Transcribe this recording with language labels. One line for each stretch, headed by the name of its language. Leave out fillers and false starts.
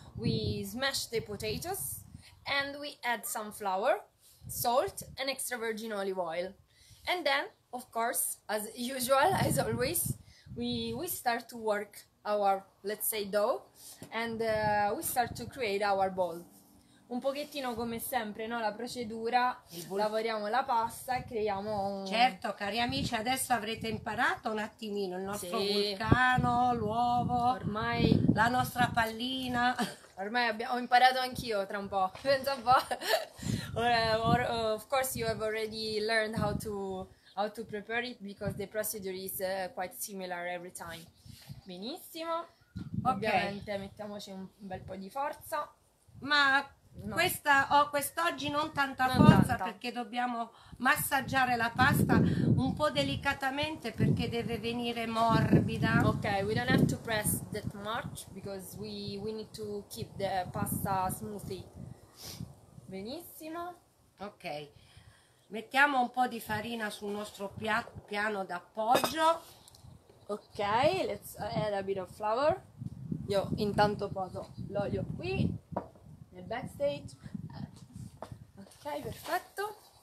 English: We smashed the potatoes and we add some flour, salt and extra virgin olive oil. And then, of course, as usual, as always, we start to work our, let's say, dough and we start to create our ball.
Italian: Un pochettino come sempre, no? La procedura, lavoriamo la pasta e creiamo un. Certo, cari amici, adesso avrete imparato un attimino il nostro Sì. vulcano, l'uovo, Ormai la nostra pallina. Ho imparato anch'io tra un po', pensa un po'.
English: Of course, you have already learned how to prepare it because the procedure is quite similar every time.
Italian: Benissimo, Ok. ovviamente mettiamoci un bel po' di forza. Ma No. Questa ho quest'oggi non tanta non forza tanta. Perché dobbiamo massaggiare la pasta un po' delicatamente perché deve venire morbida.
English: Ok, we don't have to press that much because we need to keep the pasta smoothie.
Italian: Benissimo. Ok. Mettiamo un po' di farina sul nostro piano d'appoggio.
English: Ok, let's add a bit of flour.
Italian: Io intanto poso l'olio qui. Nel backstage. Ok, perfetto.